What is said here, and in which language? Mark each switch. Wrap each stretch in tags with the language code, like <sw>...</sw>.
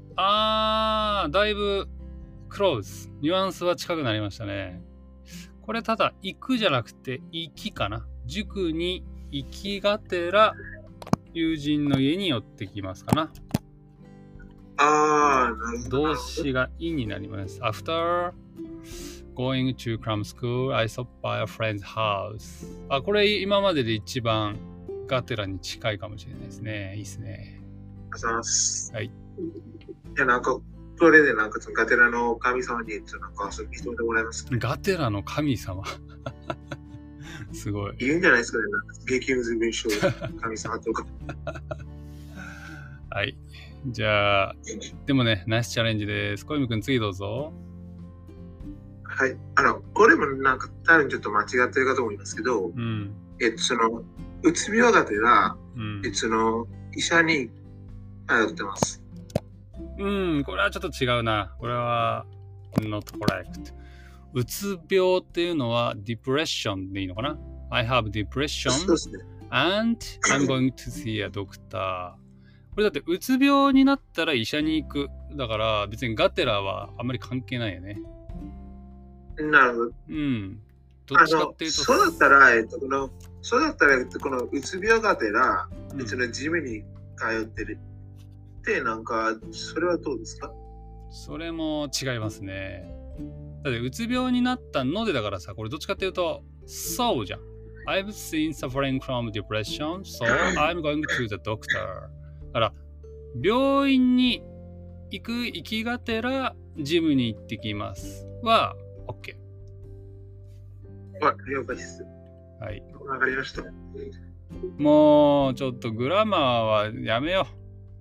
<ja>あー、だいぶクローズ、ニュアンスは近くなりましたね。これただ行くじゃなくて行きかな。塾に行きがてら友人の家に寄ってきますかな。あー、なるほど。動詞がいになります。</ja> <en>After going to cram school I stopped by a friend's house。</en> <ja>あ、これ今までで一番がてらに近いかもしれないですね。いいですね。あざます。はい。いや、なんかこれでなんかそのガテラの神様にってなんか遊びしてもらえますか。ガテラの神様。すごい。いるんじゃないですかね、なんか激ムズ文章神様とか。はい、じゃあでもね、ナイスチャレンジです。小泉くん次どうぞ。はい、あのこれもなんか多分ちょっと間違ってるかと思いますけど、そのうつ病がてら、その医者に通ってます。うん、これはちょっと違うな。これは</ja> <en>not correct。</en> <ja>うつ病っていうのは depression でいいのかな。</ja> <en>I have depression and I'm going to see a doctor。</en> <ja>これだってうつ病になったら医者に行く、だから別にガテラはあんまり関係ないよね。なるほど。うん、どっちかっていうと、そうだったら、このそうだったらこのうつ病がてら、ジムに通ってるで、なんかそれはどうですか。それも違いますね。だってうつ病になったので、だからさ、これどっちかっていうと so じゃん。</ja> <en>I've seen suffering from depression so I'm going to the doctor。</en> <ja>だから病院に行く行きがてらジムに行ってきますは OK。了解です。はい、わかりました。もうちょっとグラマーはやめよう。</ja>